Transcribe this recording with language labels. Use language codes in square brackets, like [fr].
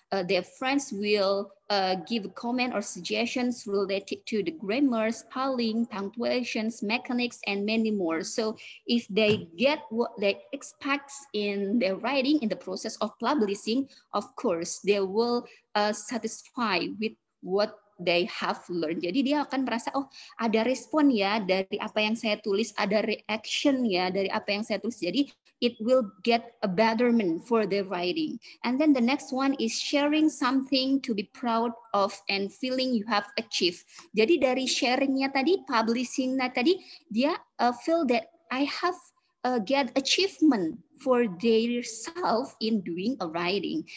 [en] their friends will give comment or suggestions related to the grammar, spelling, punctuations, mechanics, and many more. So if they get what they expect in their writing in the process of publishing, of course, they will satisfy with what they have learned. [id] Jadi dia akan merasa, oh, ada respon ya dari apa yang saya tulis, ada reaction ya dari apa yang saya tulis. Jadi [en] it will get a betterment for the writing. And then the next one is sharing something to be proud of and feeling you have achieved. [id] Jadi dari sharingnya tadi, publishingnya tadi, dia [en] feel that I have get achievement for their self in doing a writing.